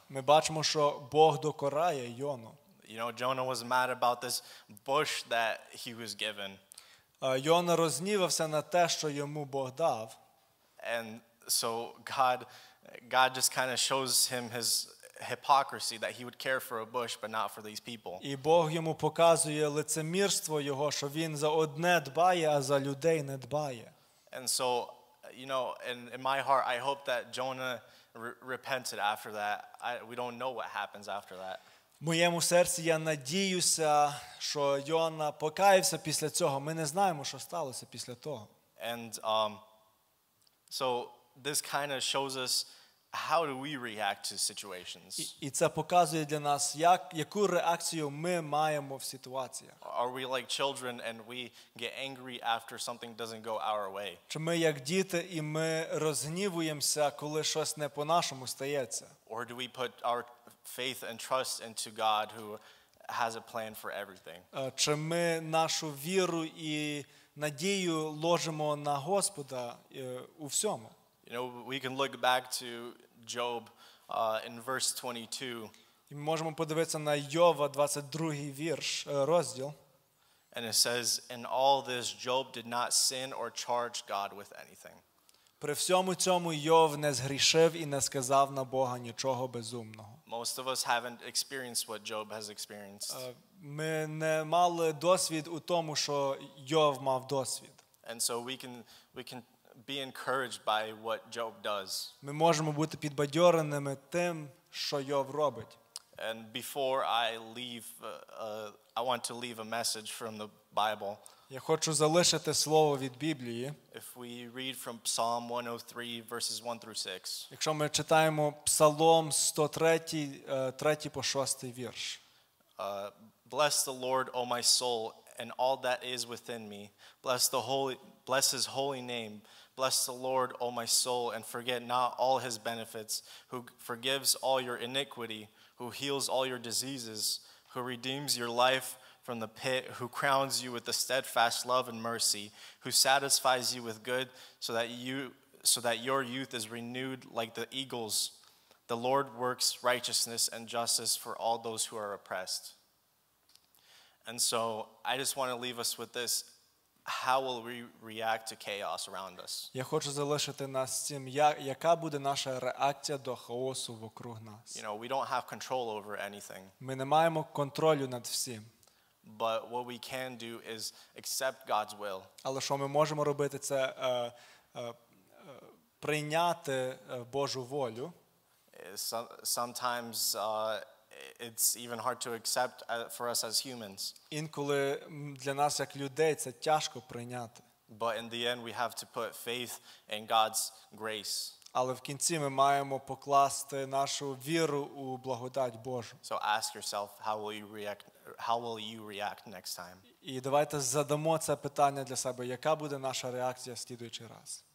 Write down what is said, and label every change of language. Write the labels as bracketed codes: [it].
[uk] Ми бачимо, що Бог докорає Йону. [en] You know, Jonah was mad about this bush that he was given. [uk] Йона розгнівався на те, що йому Бог дав. [en] And so God just kind of shows him his hypocrisy, that he would care for a bush but not for these people. [uk] І Бог йому показує лицемірство його, що він за одне дбає, а за людей не дбає. [en] And so, you know, in my heart I hope that Jonah repented after that. We don't know what happens after that. [uk] В моєму серці я надіюся, що Йона покаявся після цього. Ми не знаємо, що сталося після того. [en] And so this kind of shows us how do we react to situations. [uk] І це показує для нас, яку реакцію ми маємо в ситуаціях. [en] Are we like children and we get angry after something doesn't go our way? [uk] Чи ми як діти і ми розгнівуємося, коли щось не по-нашому стається? [en] Or do we put our faith and trust into God who has a plan for everything? [uk] Чи ми нашу віру і надію ложимо на Господа у всьому? [en] You know, we can look back to Job in verse 22. [uk] Ми можемо подивитися на Йова 22-й вірш, розділ. [en] And it says, "In all this Job did not sin or charge God with anything." [uk] При всьому цьому Йов не згрішив і не сказав на Бога нічого безумного. [en] Most of us haven't experienced what Job has experienced. [uk] Ми не мали досвід у тому, що Йов мав досвід. [en] And so we can be encouraged by what Job does. [uk] Ми можемо бути підбадьореними тим, що Йов робить. [en] And before I leave, I want to leave a message from the Bible. [uk] Я хочу залишити слово від Біблії. [en] If we read from Psalm 103 verses 1 through 6. [uk] Якщо ми читаємо Псалом 103, 3 по 6 вірш. [en] Bless the Lord, O my soul, and all that is within me. Bless his holy name. Bless the Lord, O my soul, and forget not all his benefits, who forgives all your iniquity, who heals all your diseases, who redeems your life from the pit, who crowns you with the steadfast love and mercy, who satisfies you with good so that your youth is renewed like the eagles. The Lord works righteousness and justice for all those who are oppressed. And so I just want to leave us with this. How will we react to chaos around us? [uk] Я хочу залишити нас цим, яка буде наша реакція до хаосу вокруг нас. [en] You know, we don't have control over anything. [uk] Ми не маємо контролю над всім. [en] But what we can do is accept God's will. [uk] Але що ми можемо робити, це прийняти Божу волю. [en] Sometimes it's even hard to accept for us as humans. [uk] Інколи для нас як людей це тяжко прийняти. [en] But in the end we have to put faith in God's grace. [uk] Але в кінці ми маємо покласти нашу віру у благодать Божу. [en] So ask yourself, how will you react next time? [uk] І давайте задамо це питання для себе, яка буде наша реакція слідуючий раз.